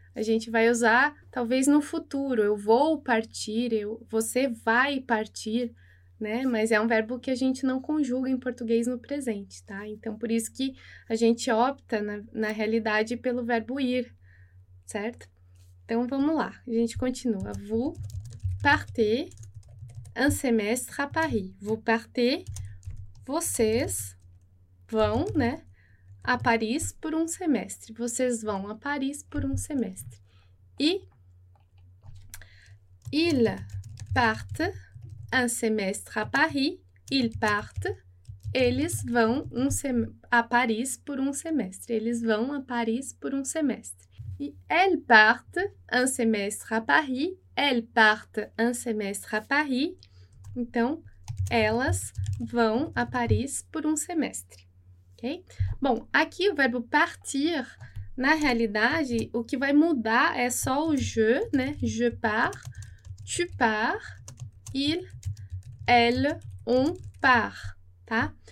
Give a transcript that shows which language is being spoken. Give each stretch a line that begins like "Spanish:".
Portuguese: A gente vai usar talvez no futuro. Eu vou partir, você vai partir. Né? Mas é um verbo que a gente não conjuga em português no presente, tá? Então, por isso que a gente opta na realidade pelo verbo ir, certo? Então, vamos lá. A gente continua.
French: Vous partez un semestre à Paris. Vous partez,
Portuguese: vocês vão, né, a Paris por um semestre. Vocês vão a Paris por um semestre.
French: E ils partent un semestre à Paris, ils partent,
Portuguese: eles vão a Paris por um semestre. Eles vão a Paris por um semestre.
French: E elles partent un semestre à Paris, elles partent un semestre à Paris.
Portuguese: Então, elas vão a Paris por um semestre. Ok? Bom, aqui o verbo partir, na realidade, o que vai mudar é só o je, né?
French: Je pars, tu pars, il elle, on part, tá?